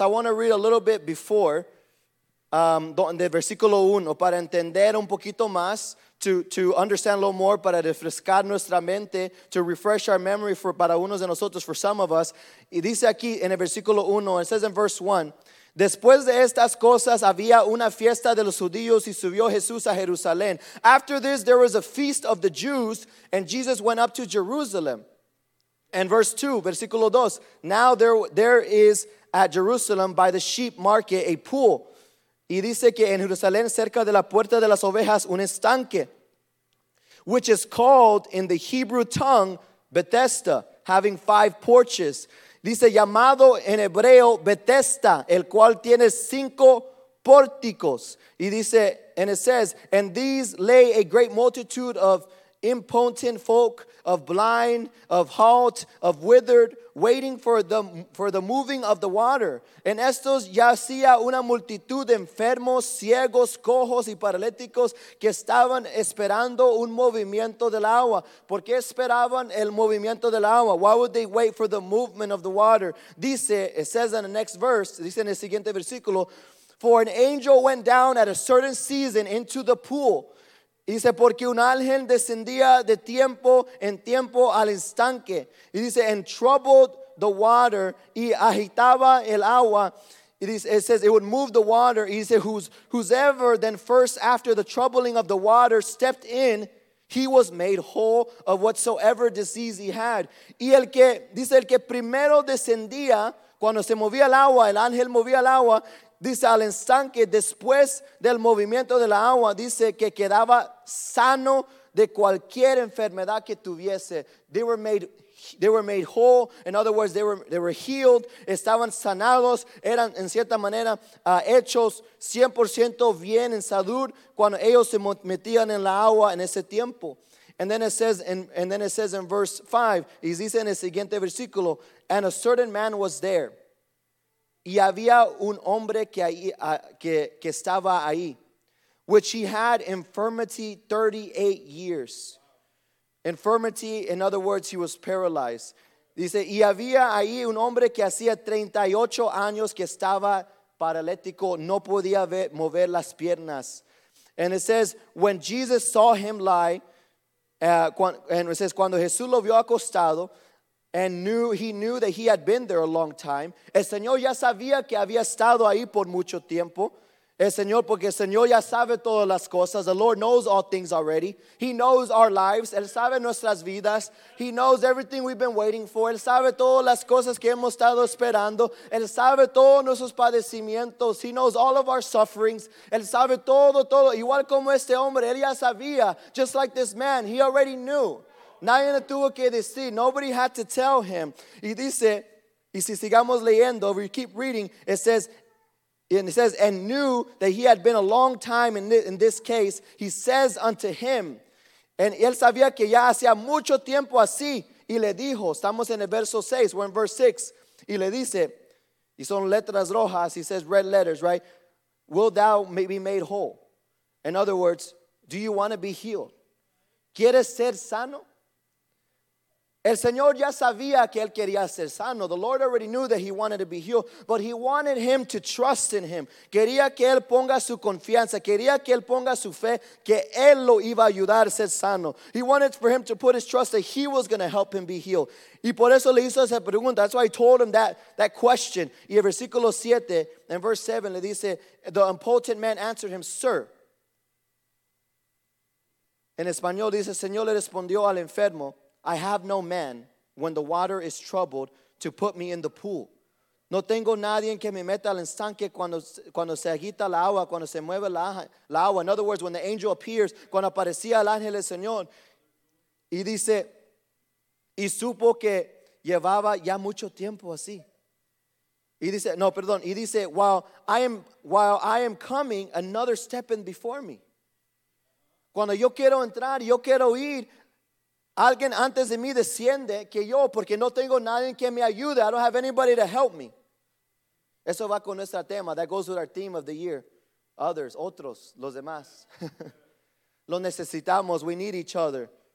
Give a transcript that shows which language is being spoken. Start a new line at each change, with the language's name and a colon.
English: I want to read a little bit before,
Spanish: de versículo 1, para entender un poquito más,
English: to understand a little more,
Spanish: para refrescar nuestra mente,
English: to refresh our memory for
Spanish: para unos de nosotros,
English: for some of us.
Spanish: Y dice aquí en el versículo 1,
English: it says in verse 1,
Spanish: después de estas cosas había una fiesta de los judíos y subió Jesús a Jerusalén.
English: After this, there was a feast of the Jews, and Jesus went up to Jerusalem. And verse 2,
Spanish: versículo 2,
English: now there is at Jerusalem by the sheep market a pool.
Spanish: Y dice que en Jerusalén, cerca de la puerta de las ovejas, un estanque,
English: which is called in the Hebrew tongue Betesda, having five porches.
Spanish: Dice, llamado en hebreo Betesda, el cual tiene cinco pórticos. Y dice,
English: and it says, and these lay a great multitude of impotent folk, of blind, of halt, of withered, waiting for the moving of the water.
Spanish: En estos yacía una multitud de enfermos, ciegos, cojos y paralíticos que estaban esperando un movimiento del agua. ¿Por qué esperaban el movimiento del agua?
English: Why would they wait for the movement of the water?
Spanish: Dice,
English: it says in the next verse,
Spanish: dice en el siguiente versículo,
English: for an angel went down at a certain season into the pool.
Spanish: Y dice, porque un ángel descendía de tiempo en tiempo al estanque. Y dice,
English: and troubled the water,
Spanish: y agitaba el agua.
English: It, is, it says, it would move the water.
Spanish: Y dice,
English: whosoever then first after the troubling of the water stepped in, he was made whole of whatsoever disease he had.
Spanish: Y el que, dice, el que primero descendía, cuando se movía el agua, el ángel movía el agua, dice, al estanque, después del movimiento de la agua, dice que quedaba sano de cualquier enfermedad que tuviese.
English: They were made whole. In other words, they were healed.
Spanish: Estaban sanados. Eran, en cierta manera, hechos 100% bien en salud cuando ellos se metían en la agua en ese tiempo.
English: And then it says, in verse 5,
Spanish: y dice en el siguiente versículo,
English: and a certain man was there.
Spanish: Y había un hombre que estaba ahí,
English: which he had infirmity 38 years. Infirmity, in other words, he was paralyzed.
Spanish: Dice, y había ahí un hombre que hacía 38 años que estaba paralítico, no podía mover las piernas.
English: And it says, when Jesus saw him lie, and it says,
Spanish: cuando Jesús lo vio acostado,
English: and he knew that he had been there a long time.
Spanish: El Señor ya sabía que había estado ahí por mucho tiempo. El Señor, porque el Señor ya sabe todas las cosas.
English: The Lord knows all things already. He knows our lives.
Spanish: Él sabe nuestras vidas.
English: He knows everything we've been waiting for.
Spanish: Él sabe todas las cosas que hemos estado esperando. Él sabe todos nuestros padecimientos.
English: He knows all of our sufferings.
Spanish: Él sabe todo, todo. Igual como este hombre, él ya sabía.
English: Just like this man, he already knew.
Spanish: Nadie le tuvo que decir.
English: Nobody had to tell him.
Spanish: Y dice, y si sigamos leyendo,
English: we keep reading, it says, and knew that he had been a long time in this case. He says unto him, and
Spanish: él sabía que ya hacía mucho tiempo así, y le dijo, estamos en el verso 6,
English: we're in verse 6,
Spanish: y le dice, y son letras rojas,
English: he says red letters, right? Will thou be made whole? In other words, do you want to be healed?
Spanish: ¿Quieres ser sano? El Señor ya sabía que él quería ser sano.
English: The Lord already knew that he wanted to be healed, but he wanted him to trust in him.
Spanish: Quería que él ponga su confianza, quería que él ponga su fe, que él lo iba a ayudar a ser sano.
English: He wanted for him to put his trust that he was going to help him be healed.
Spanish: Y por eso le hizo esa pregunta.
English: That's why he told him that question.
Spanish: Y el versículo 7, en
English: verse 7,
Spanish: le dice,
English: the impotent man answered him, sir.
Spanish: En español dice, Señor le respondió al enfermo,
English: I have no man when the water is troubled to put me in the pool.
Spanish: No tengo nadie que me meta al estanque cuando se agita la agua, cuando se mueve la agua.
English: In other words, when the angel appears,
Spanish: cuando aparecía el ángel del Señor, y dice, y supo que llevaba ya mucho tiempo así. Y dice, no, perdón, y dice,
English: while I am coming, another step in before me.
Spanish: Cuando yo quiero entrar, yo quiero ir, alguien antes de mí desciende que yo, porque no tengo nadie que me ayude.
English: I don't have anybody to help me.
Spanish: Eso va con nuestro tema.
English: That goes with our theme of the year. Others,
Spanish: otros, los demás. Lo necesitamos.
English: We need each other.